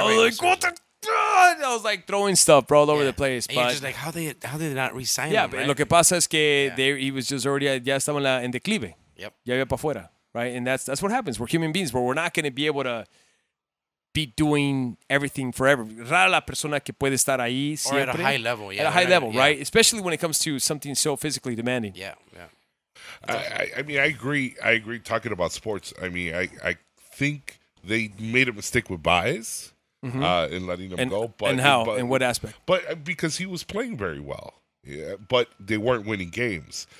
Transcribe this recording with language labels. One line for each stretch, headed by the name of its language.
English: I was like throwing stuff, bro, all over the place. And you're just like, how did they not resign? Yeah, him, right? But
Spanish: lo que pasa es que
English: he was just already
Spanish: ya estaba en declive. Yep. Ya iba para afuera,
English: right? And that's what happens. We're human beings, but we're not going to be able to be doing everything forever.
Spanish: Rara la persona que puede estar ahí siempre.
English: Or at a high level, yeah. At a high level, right? Especially when it comes to something so physically demanding. Yeah. I agree. Talking about sports, I mean, I think they made a mistake with Baez. Mm-hmm. In letting him go. But in what aspect? But because he was playing very well. Yeah, but they weren't winning games.